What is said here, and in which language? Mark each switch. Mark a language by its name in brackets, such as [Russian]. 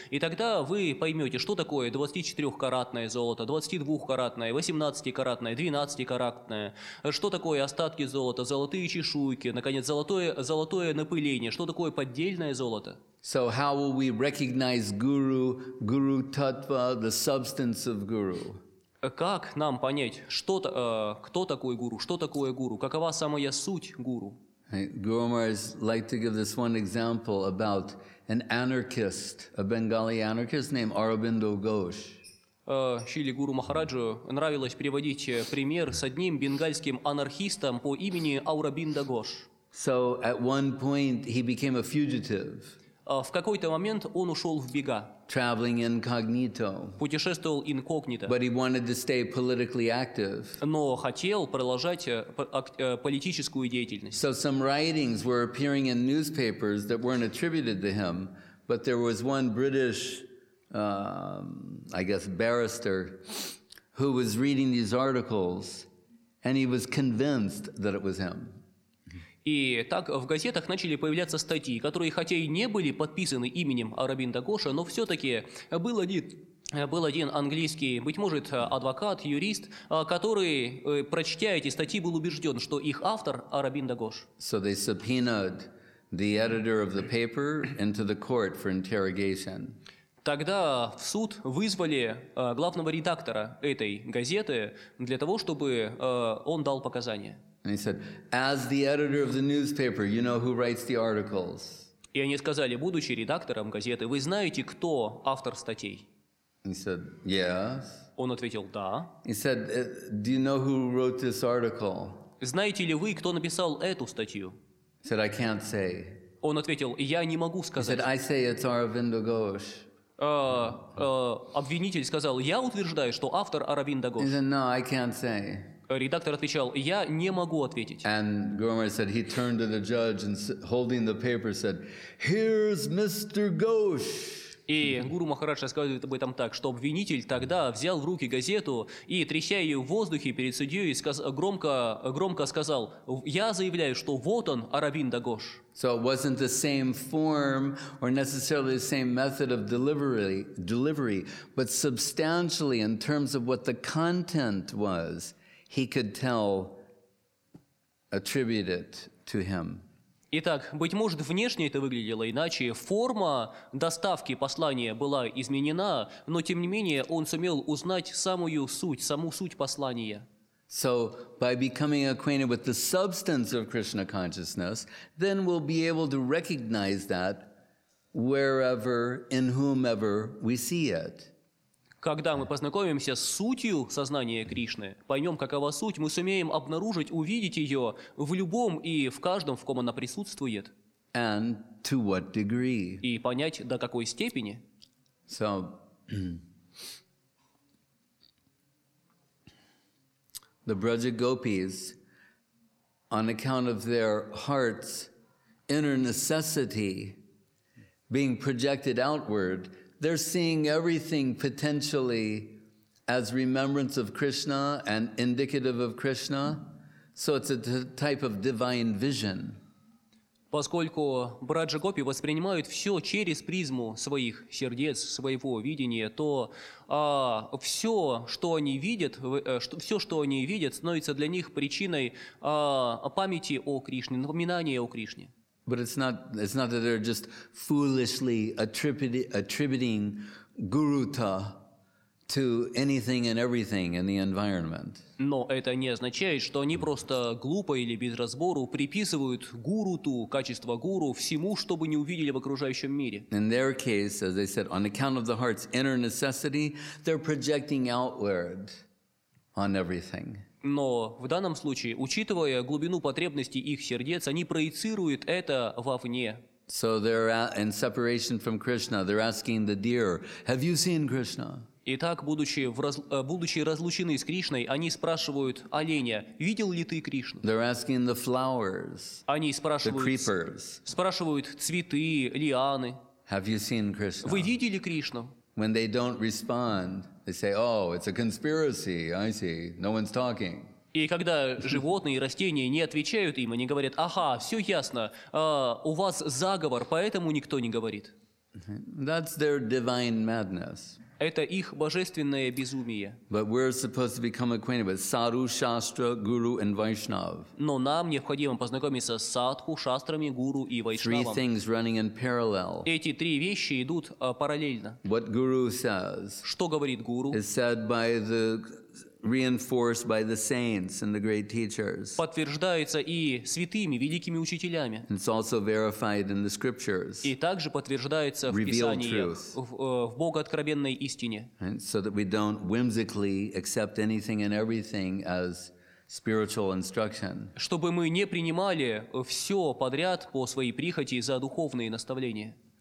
[Russian] И тогда вы поймете, что такое 24-каратное золото, 22-каратное, 18-каратное, 12-каратное, что такое остатки золота, золотые чешуйки, наконец, золотое напыление, что такое поддельное золото. [English] So how will we recognize guru, guru tattva, the substance of guru? [Russian] Как нам понять, кто такой гуру, что такое гуру, какова самая суть гуру? [English] Guru Maharaj like to give this one example about an anarchist, a Bengali anarchist named Aurobindo Ghosh. [Russian] Шили Гуру Махараджу нравилось приводить пример с одним бенгальским анархистом по имени Аурабинда Гош. [English] So at one point he became a fugitive. [Russian] В какой-то момент он ушел в бега. [English] Traveling incognito. [Russian] Путешествовал инкогнито. [English] But he wanted to stay politically active. [Russian] Но хотел продолжать политическую деятельность. [English] So some writings were appearing in newspapers that weren't attributed to him, but there was one British, barrister, who was reading these articles, and he was convinced that it was him. [Russian] И так в газетах начали появляться статьи, которые хотя и не были подписаны именем Аурабинда Гоша, но все-таки был один английский, быть может, адвокат, юрист, который, прочтя эти статьи, был убежден, что их автор Аурабинда Гош. [English] So they subpoenaed the editor of the paper into the court for interrogation. [Russian] Тогда в суд вызвали главного редактора этой газеты для того, чтобы он дал показания. [English] And he said, as the editor of the newspaper, you know who writes the articles. [Russian] И они сказали, будучи редактором газеты, вы знаете, кто автор статей? [English] He said, yes. [Russian] Он ответил, да. [English] He said, do you know who wrote this article? [Russian] Знаете ли вы, кто написал эту статью? [English] He said, I can't say. [Russian] Он ответил, я не могу сказать. [English] He said, I say it's Aurobindo Ghosh. [Russian] Обвинитель сказал, я утверждаю, что автор Аурабинда Гош. [English] He said, no, I can't say. [Russian] Редактор отвечал, я не могу ответить. [English] And Guru Maharaj said, he turned to the judge and holding the paper said, here's Mr. Ghosh. [Russian] И Гуру Махарадж рассказывает об этом так, что обвинитель тогда взял в руки газету и, треща ее в воздухе перед судьей, громко сказал, я заявляю, что вот он, Аурабинда Гош. [English] So it wasn't the same form or necessarily the same method of delivery, but substantially in terms of what the content was, he could tell, attribute it to him. [Russian] Итак, быть может, внешне это выглядело иначе. Форма доставки послания была изменена, но тем не менее он сумел узнать саму суть послания. [English] So, by becoming acquainted with the substance of Krishna consciousness, then we'll be able to recognize that wherever, in whomever we see it. [Russian] Когда мы познакомимся с сутью сознания Кришны, поймем, какова суть, мы сумеем обнаружить, увидеть ее в любом и в каждом, в ком она присутствует. [English] And to what degree. [Russian] И понять, до какой степени. [English] So, the Braja Gopis, on account of their heart's inner necessity being projected outward, they're seeing everything potentially as remembrance of Krishna and indicative of Krishna. So it's a type of divine vision. [Russian] Поскольку Браджа Гопи воспринимают все через призму своих сердец, своего видения, то все, что они видят, все, что они видят, становится для них причиной памяти о Кришне, напоминания о Кришне. [English] But it's not that they're just foolishly attributing Guruta to anything and everything in the environment. [Russian] Но это не означает, что они просто глупо или без разбору приписывают Гуруту, качество Гуру, всему, что бы не увидели в окружающем мире. [English] In their case, as I said, on account of the heart's inner necessity, they're projecting outward on everything. [Russian] Но в данном случае, учитывая глубину потребностей их сердец, они проецируют это вовне. [English] So they're in separation from Krishna, they're asking the deer, have you seen Krishna? [Russian] Итак, будучи разлучены с Кришной, они спрашивают оленя, видел ли ты Кришну? [English] They're asking the flowers, [Russian] они спрашивают, [English] the creepers, [Russian] спрашивают цветы, лианы. [English] Have you seen Krishna? [Russian] Вы видели Кришну? [English] When they don't respond, they say, oh, it's a conspiracy, I see, no one's talking. [Russian] И когда животные и растения не отвечают им, они говорят, ага, все ясно, у вас заговор, поэтому никто не говорит. [English] That's their divine madness. [Russian] Это их божественное безумие. [English] But we're supposed to become acquainted with Sadhu, Shastra, Guru, and Vaishnav. [Russian] Но нам необходимо познакомиться с Садху, Шастрами, Гуру и Вайшнавом. [English] Three things running in parallel. [Russian] Эти три вещи идут параллельно. [English] What Guru says, [Russian] что говорит Гуру, [English] is said by the reinforced by the saints and the great teachers. [Russian] Подтверждается и святыми, великими учителями. [English] It's also verified in the scriptures. [Russian] И также подтверждается в Писании, в богооткровенной истине. [English] And so that we don't whimsically accept anything and everything as spiritual instruction. [Russian] Чтобы мы не принимали все подряд по своей прихоти за духовные наставления.